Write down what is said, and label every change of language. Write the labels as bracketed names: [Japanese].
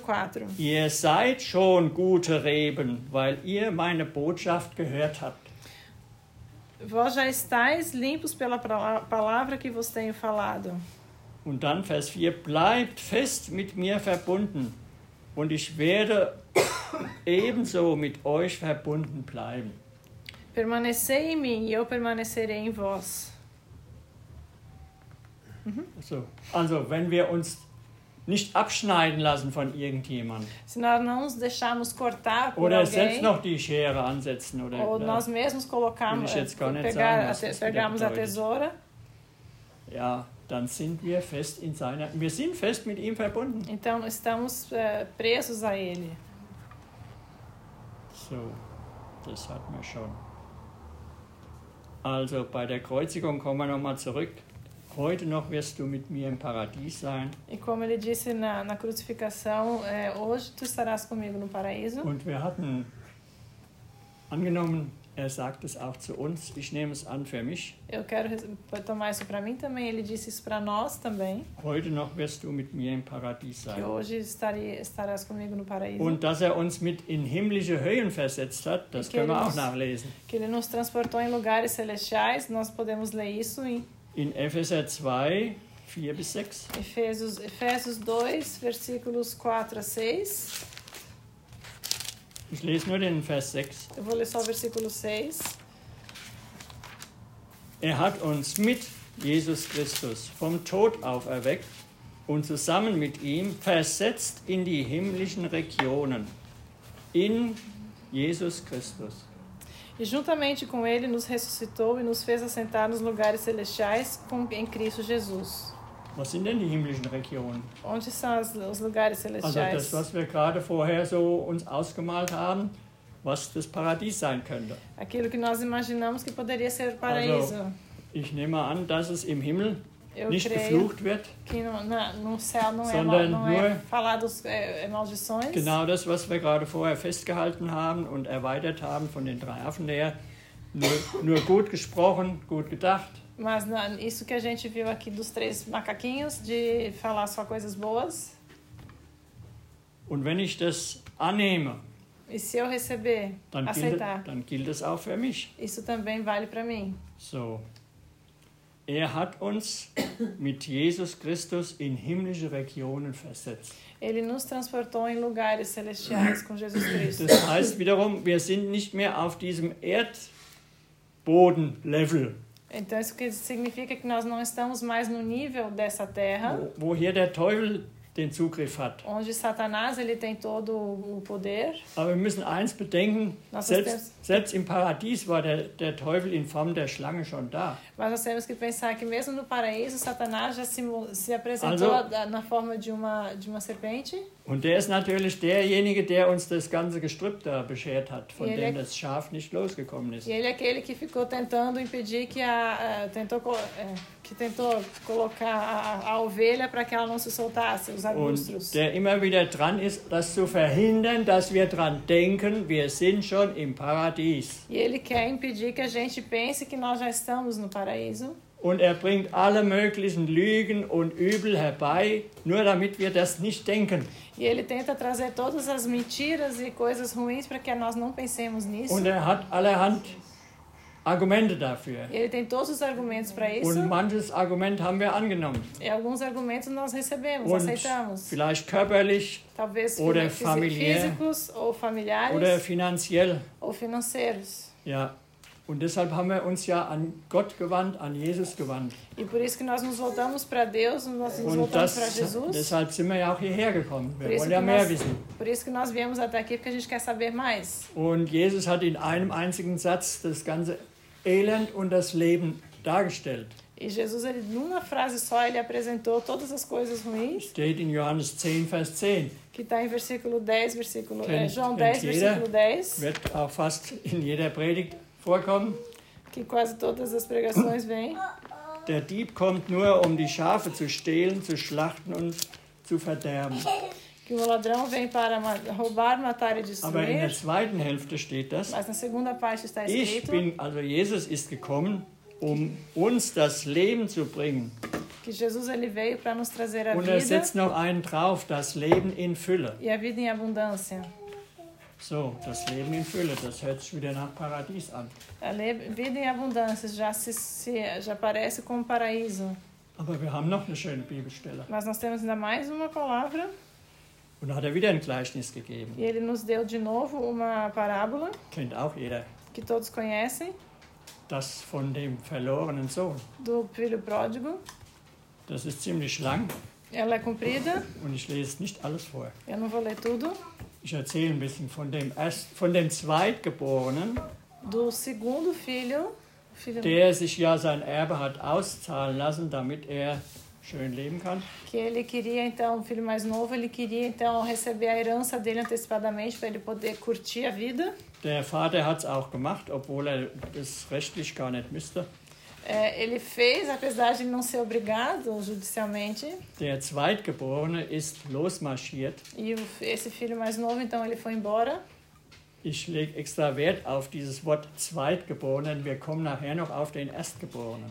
[German] 4. Ihr seid schon gute Reben, weil ihr meine Botschaft gehört habt. [Portuguese] Vós já estáis limpos pela palavra que vos tenho falado. [German] Und dann Vers 4. Bleibt fest mit mir verbunden und ich werde ebenso mit euch verbunden bleiben. [Portuguese] Permanecei em mim e eu permanecerei em vós. [German] Also, wenn wir uns nicht abschneiden lassen von irgendjemandem. [Portuguese] Se nós nos deixarmos cortar por [German] oder [Portuguese] alguém, [German] selbst noch die Schere ansetzen. Oder [Portuguese] ou nós mesmos colocamos, [German] will ich jetzt gar nicht [Portuguese] pegar, [German] sagen, [Portuguese] pegamos a tesoura. [German] Ja, dann sind wir fest in seiner... Wir sind fest mit ihm verbunden. [Portuguese] Então, estamos presos a ele. [German] So, das hatten wir schon. Also, bei der Kreuzigung kommen wir nochmal zurück. Heute noch wirst du mit mir im Paradies sein. [Portuguese] E como ele disse na, na crucificação, hoje tu estarás comigo no paraíso. [German] Und wir hatten angenommen, er sagt es auch zu uns. Ich nehme es an für mich. [Portuguese] Eu quero tomar isso para mim também. Ele disse isso para nós também. [German] Heute noch wirst du mit mir im Paradies sein. [Portuguese] Que hoje estarás comigo no paraíso. [German] Und dass er uns mit in himmlische Höhen versetzt hat, das können wir auch nachlesen. [Portuguese] Que ele nos transportou em lugares celestiais, nós podemos ler isso em [German] in Epheser 2, 4 bis 6. [Portuguese] Efésios 2, versículos 4 a 6. [German] Ich lese nur den Vers 6. [Portuguese] Eu vou ler só o versículo 6. [German] Er hat uns mit Jesus Christus vom Tod auferweckt und zusammen mit ihm versetzt in die himmlischen Regionen. In Jesus Christus. [Portuguese] E juntamente com ele nos ressuscitou e nos fez assentar nos lugares celestiais com, em Cristo Jesus. [German] Was sind denn die himmlischen Regionen? [Portuguese] Onde são as, os lugares celestiais? [German] Also das, was wir gerade vorher so uns ausgemalt haben, was das Paradies sein könnte. [Portuguese] Aquilo que nós imaginamos que poderia ser o paraíso. [German] Also, ich nehme an, dass es im Himmel [Portuguese] eu [German] nicht geflucht wird, [Portuguese] que no, na, no céu não [German] sondern [Portuguese] é, não [German] nur [Portuguese] é falados, maldições. [German] Genau das, was wir gerade vorher festgehalten haben und erweitert haben von den drei Affen her, nur gut gesprochen, gut gedacht. [Portuguese] Mas na, isso que a gente viu aqui dos três macaquinhos, de falar só coisas boas. [German] Und wenn ich das annehme, [Portuguese] e se eu receber, [German] dann [Portuguese] aceitar, [German] gilt, dann gilt das auch für mich. [Portuguese] Isso também vale para mim. [German] So. Er hat uns mit Jesus Christus in himmlische Regionen versetzt. [Portuguese] Ele nos transportou em lugares celestiais com Jesus Cristo. [German] Das heißt wiederum, wir sind nicht mehr auf diesem Erdboden-Level. [Portuguese] Então isso significa que nós não estamos mais no nível dessa terra. [German] Wo hier der Teufel den Zugriff hat. [Portuguese] Onde Satanás ele tem todo o poder. [German] Aber wir müssen eins bedenken, selbst im Paradies war der Teufel in Form der Schlange schon da. [Portuguese] Mas nós temos que pensar que mesmo no paraíso Satanás já se apresentou [German] also, [Portuguese] na forma de uma serpente. [German] Und der ist natürlich derjenige, der uns das ganze Gestrüpp da beschert hat, von dem das Schaf nicht losgekommen ist. [Portuguese] E ele é aquele que ficou tentando impedir que tentou colocar a ovelha para que ela não se soltasse, os arbustos. [German] Und der immer wieder dran ist, das zu verhindern, dass wir dran denken, wir sind schon im Paradies. [Portuguese] E ele quer impedir que a gente pense que nós já estamos no paraíso. [German] Und er bringt alle möglichen Lügen und Übel herbei, nur damit wir das nicht denken. [Portuguese] E ele tenta trazer todas as mentiras e coisas ruins para que nós não pensemos nisso. [German] Und er hat allerhand Argumente dafür. [Portuguese] Ele tem todos os argumentos para isso. [German] Und manches Argument haben wir angenommen. [Portuguese] E alguns argumentos nós recebemos, [German] und [Portuguese] aceitamos. [German] Vielleicht körperlich, [Portuguese] talvez [German] oder familiär, [Portuguese] físicos ou familiares, [German] oder finanziell, [Portuguese] ou financeiros. [German] Ja. Und deshalb haben wir uns ja an Gott gewandt, an Jesus gewandt. [Portuguese] E por isso que nós nos voltamos para Deus, nós nos voltamos [German] und das, [Portuguese] para Jesus. [German] Deshalb sind wir ja auch hierher gekommen. Wir wollen ja mehr wissen. [Portuguese] Por isso que nós viemos até aqui, porque a gente quer saber mais. [German] Und Jesus hat in einem einzigen Satz das ganze Elend und das Leben dargestellt. [Portuguese] E Jesus, ele, numa frase só, ele apresentou todas as coisas ruins. [German] Steht in Johannes 10, Vers 10. [Portuguese] Que está em versículo 10, versículo, [German] kennt, [Portuguese] João 10, [German] jeder, [Portuguese] versículo 10. [German] Wird auch fast in jeder Predigt vorkommen. [Portuguese] Que quase todas as pregações vêm. [German] Der Dieb kommt nur, um die Schafe zu stehlen, zu schlachten und zu verderben. [Portuguese] Que o ladrão vem para roubar, matar e destruir. [German] Aber in der zweiten Hälfte steht das. [Portuguese] Mas na segunda parte está escrito. [German] Ich bin, also Jesus ist gekommen, um uns das Leben zu bringen. [Portuguese] Que Jesus ele veio para nos trazer a vida. [German] Und er setzt noch einen drauf, das Leben in Fülle. [Portuguese] E a vida em abundância. [German] So, das Leben in Fülle, das hört sich wieder nach Paradies an. [Portuguese] Vida em abundância, já parece como paraíso. [German] Aber wir haben noch eine schöne Bibelstelle. [Portuguese] Mas nós temos ainda mais uma palavra. [German] Und hat er wieder ein Gleichnis gegeben. [Portuguese] E ele nos deu de novo uma parábola. [German] Kennt auch jeder. [Portuguese] Que todos conhecem. [German] Das von dem verlorenen Sohn. [Portuguese] Do filho pródigo. [German] Das ist ziemlich lang. [Portuguese] Ela é comprida. [German] Und ich lese nicht alles vor. [Portuguese] Eu não vou ler tudo. [German] Ich erzähle ein bisschen von dem Zweitgeborenen, [Portuguese] do segundo filho, filho [German] der sich ja sein Erbe hat auszahlen lassen, damit er schön leben kann. [Portuguese] Que ele queria então, o filho mais novo, ele queria então receber a herança dele antecipadamente para ele poder curtir a vida. [German] Der Vater hat's auch gemacht, obwohl er es rechtlich gar nicht müsste. [Portuguese] Ele fez, apesar de não ser obrigado judicialmente. [German] Der Zweitgeborene ist losmarschiert. [Portuguese] E esse filho mais novo, então, ele foi embora. [German] Ich lege extra Wert auf dieses Wort Zweitgeborenen. Wir kommen nachher noch auf den Erstgeborenen.